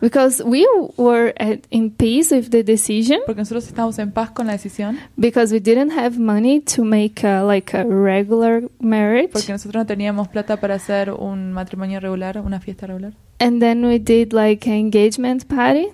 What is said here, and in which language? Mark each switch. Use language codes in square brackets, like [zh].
[en] because we were in peace with the decision, [es] porque nosotros estábamos en paz con la decisión, [en] because we didn't have money to make like a regular marriage, [es] porque nosotros no teníamos plata para hacer un matrimonio regular, una fiesta regular, [en] and then we did like an engagement party,